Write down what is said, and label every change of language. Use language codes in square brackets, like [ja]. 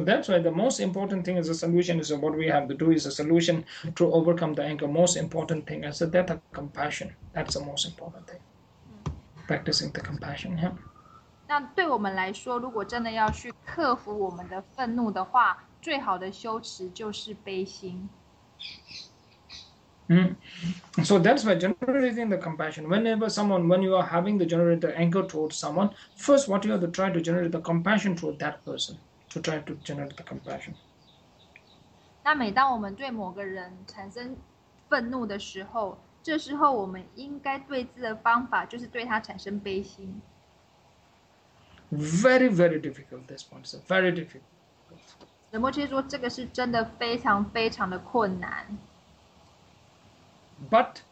[en] that's why the most important thing is the solution is what we have to do is a solution to overcome the anger. Most important thing is the death of compassion. That's the most important thing. Practicing the compassion, yeah. [zh] 那对我们来说，如果真的要去克服我们的愤怒的话，最好的修持就是悲心。So [en] that's why generating the compassion. Whenever someone, when you are having the generate the anger towards someone, first what you have to try to generate the compassion toward that person, to try to generate the compassion. [zh] 那每当我们对某个人产生愤怒的时候， 这时候我们应该对峙的方法就是对他产生悲心。Very, [en] very difficult this point. So very difficult. [zh] 仁波切说这个是真的非常非常的困难。But